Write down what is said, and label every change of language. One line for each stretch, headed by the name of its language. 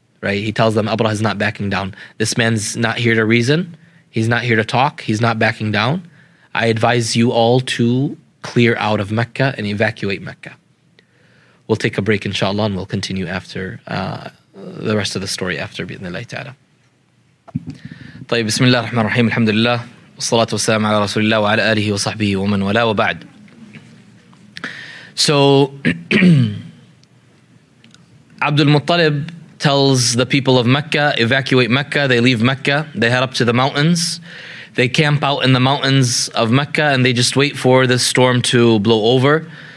English: Right, he tells them Abra is not backing down. This man's not here to reason. He's not here to talk. He's not backing down. I advise you all to clear out of Mecca and evacuate Mecca. We'll take a break, inshallah, and we'll continue after the rest of the story after bi'idhnillahi ta'ala.
Arabic: طيب بسم الله الرحمن الرحيم الحمد لله والصلاة والسلام على رسول الله وعلى آله وصحبه ومن ولا وبعد.
English: So Abdul Muttalib tells the people of Mecca, evacuate Mecca. They leave Mecca, they head up to the mountains, they camp out in the mountains of Mecca, and they just wait for this storm to blow over.